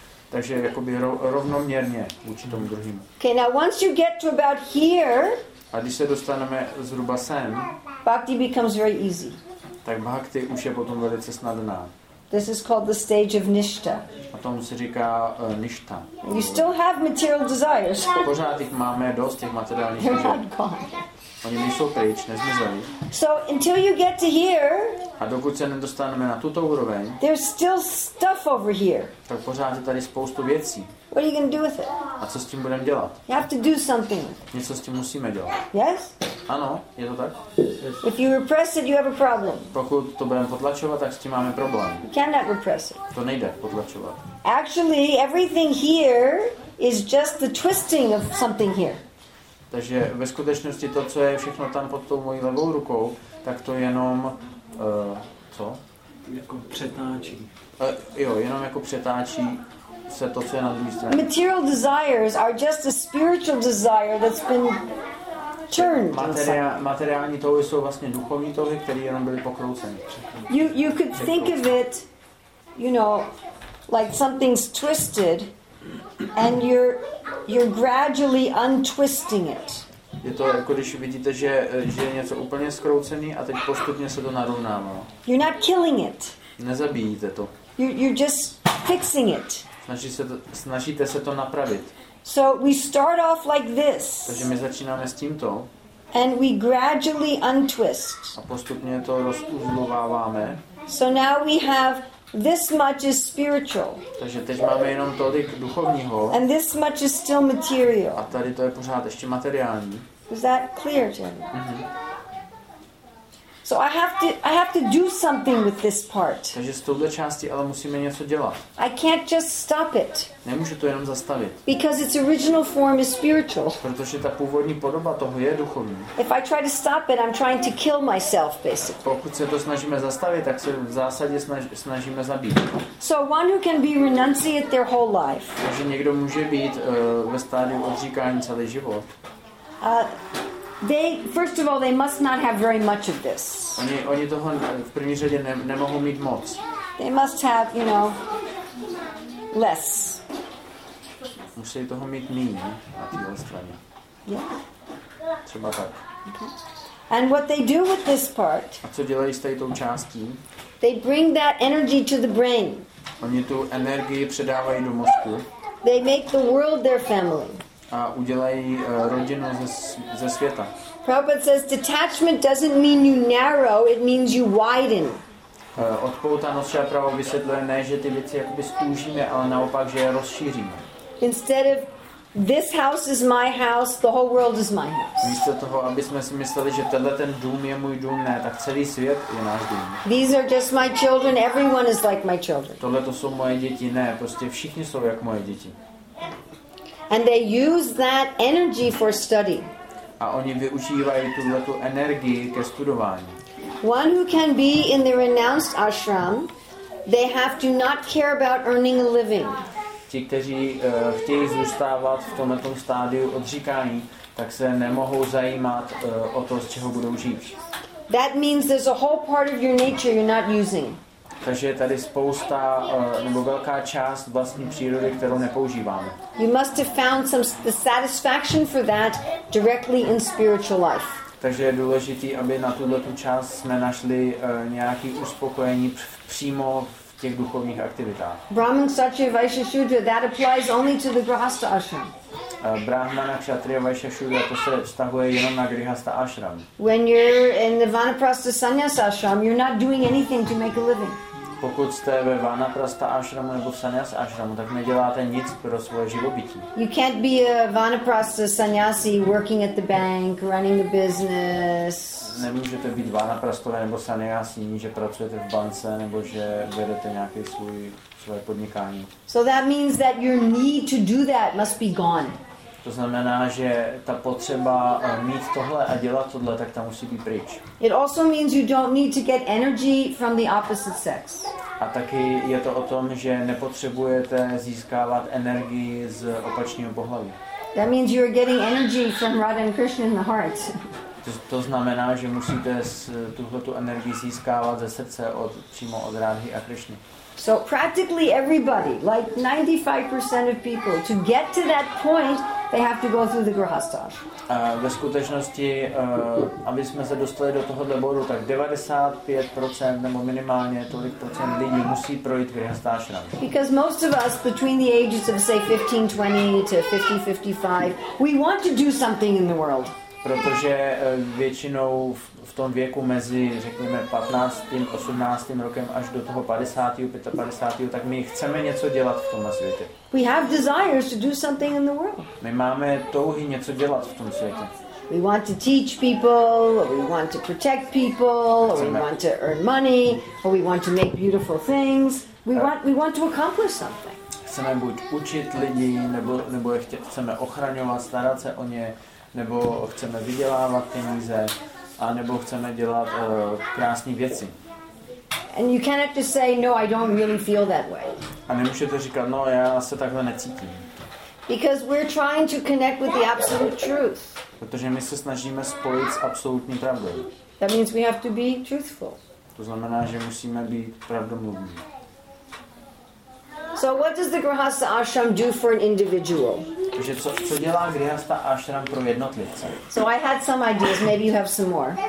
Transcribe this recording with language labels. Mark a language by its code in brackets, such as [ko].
[cs] Takže jakoby rovnoměrně vůči tomu druhému. [en] Okay, now once you get to about here, [cs] a když se dostaneme zhruba sem, [en] bhakti becomes very easy. [cs] Tak bhakti už je potom velice snadná. [en] This is called the stage of nishta. [cs] A tomu se říká nishta. [en] You still have material desires. [cs] Pořád jich máme dost, těch materiálních [en] desires. They're not gone. [cs] Oni nejsou pryč, nezmizeli. [en] So until you get to here, [cs] a dokud se nedostaneme na tuto úroveň, [en] there's still stuff over here. [cs] Tak pořád je tady spoustu věcí. [en] What are you going to do with it? [cs] A co s tím budeme dělat? [en] You have to do something. [cs] Něco s tím musíme dělat. [en] Yes? [cs] Ano, je to tak? [en] If you repress it, you have a problem. [cs] Pokud to budeme potlačovat, tak s tím máme problém. [en] You cannot repress it. [cs] To nejde potlačovat. [en] Actually, everything here is just the twisting of something here. [cs] Takže ve skutečnosti to, co je všechno tam pod tou mojí levou rukou, tak to jenom, co? Jako přetáčí. Jenom jako přetáčí se to, co je na druhé straně. [en] Material desires are just a spiritual desire that's been churned. [cs] Materiální touhy jsou vlastně duchovní touhy, které jenom byly pokrouceny. [en] You could think of it, you know, like something's twisted And you're gradually untwisting it. [cs] Je to jako když vidíte, že je něco úplně zkroucený a teď postupně se to narovnává. [en] You're not killing it. [cs] Nezabíjíte to. [en] You're just fixing it. [cs] Snažíte se to napravit. [en] So we start off like this. [cs] Takže my začínáme s tímto. [en] And we gradually untwist. [cs] A postupně to rozuzlováváme. [en] So now we have this much is spiritual. [cs] Takže teď máme jenom tolik duchovního. [en] And this much is still material. [cs] A tady to je pořád ještě materiální. [en] Is that clear, Jim? Mm-hmm. So I have to do something with this part. [cs] Takže s touhle částí ale musíme něco dělat. [en] I can't just stop it. [cs] Nemůžu to jenom zastavit. [en] Because its original form is spiritual. [cs] Protože ta původní podoba toho je duchovní. [en] If I try to stop it, I'm trying to kill myself basically. [cs] Pokud se to snažíme zastavit, tak se v zásadě snažíme zabít. [en] So one who can be renunciate their whole life. [cs] Takže někdo může být ve stádiu odříkání celý život. [en] They first of all they must not have very much of this. [cs] Oni toho v první řadě nemohou mít moc. [en] They must have, you know, less. [cs] Musí toho mít méně na té straně. [en] Yeah. [cs] Třeba tak. [en] Okay. And what they do with this part? [cs] A co dělají s tou částí? [en] They bring that energy to the brain. [cs] Oni tu energii předávají do mozku. [en] They make the world their family. [cs] A udělají rodinu ze světa. [en] Prabhupada says detachment doesn't mean you narrow, it means you widen. [cs] Odpoutanost se právě vysvětluje ne, že ty věci jakoby stůžíme, ale naopak, že je rozšíříme. [en] Instead of this house is my house, the whole world is my house. [cs] Místo toho, aby jsme si mysleli, že tenhle ten dům je můj dům, ne, tak celý svět je náš dům. [en] These are just my children, everyone is like my children. [cs] Tohle to jsou moje děti, ne, prostě všichni jsou jak moje děti. [en] And they use that energy for study. [cs] A oni využívají tuto energii ke studování. [en] One who can be in the renounced ashram, they have to not care about earning a living. [cs] Ti, kteří chtějí zůstávat v tomto stádiu odříkání, tak se nemohou zajímat o to, z čeho budou žít. [en] That means there's a whole part of your nature you're not using. [cs] Takže je tady spousta nebo velká část vlastní přírody, kterou nepoužíváme. [en] You must have found some satisfaction for that directly in spiritual life. [cs] Takže je důležité, aby na tuhle tu část jsme našli nějaké uspokojení přímo v těch duchovních aktivitách. [en] Brahman Kshatriya Vaishyashudra, that applies only to the Grihastha Ashram. [cs] Brahmana Kshatriya Vaishyashudra, to se vztahuje jenom na Grihastha Ashram. [en] When you're in the Vanaprastha Sannyasa Ashram, you're not doing anything to make a living. [cs] Pokud jste ve Vanaprastha Ashramu nebo v Sannyasa Ashramu, tak neděláte nic pro svoje živobytí. [en] You can't be a Vanaprastha Sannyasi working at the bank, running a business. [cs] Nemůžete být Vanaprastové nebo Sannyasi, že pracujete v bance nebo že vedete nějaký svůj podnikání. [en] So that means that your need to do that must be gone. [cs] To znamená, že ta potřeba mít tohle a dělat tohle, tak ta musí být pryč. [en] It also means you don't need to get energy from the opposite sex. [cs] A taky je to o tom, že nepotřebujete získávat energii z opačného pohlaví. [en] That means you are getting energy from Radha and Krishna in the heart. [cs] To znamená, že musíte tuhle tu energii získávat ze srdce přímo od Rádhy a Krišny. [en] So practically everybody, like 95% of people, to get to that point, they have to go through the grihastha. [cs] Ve skutečnosti, aby jsme se dostali do tohohle bodu, tak 95% nebo minimálně tolik procent lidí musí projít grihastha ashram. [en] Because most of us between the ages of say 15, 20 to 50, 55, we want to do something in the world. [cs] Protože většinou v tom věku mezi řekněme 15. 18. rokem až do toho 50. 55. tak my chceme něco dělat v tomhle světě. [en] We have desires to do something in the world. [cs] My máme touhy něco dělat v tom světě. [en] We want to teach people, or we want to protect people, or we want to earn money, or we want to make beautiful things. We want to accomplish something. [cs] Chceme buď učit lidi nebo chceme ochraňovat, starat se o ně. Nebo chceme vydělávat peníze, a nebo chceme dělat krásné věci. [en] And you cannot just say no, I don't really feel that way. [cs] A nemůžete říkat no, já se takhle necítím. [en] Because we're trying to connect with the absolute truth. [cs] Protože my se snažíme spojit s absolutní pravdou. [en] That means we have to be truthful. [cs] To znamená, že musíme být pravdomluvní. [en] So what does the Grihastha Ashram do for an individual? [cs] Takže co dělá Grihastha Ashram pro jednotlivce? [en] So I had some ideas, maybe you have some more.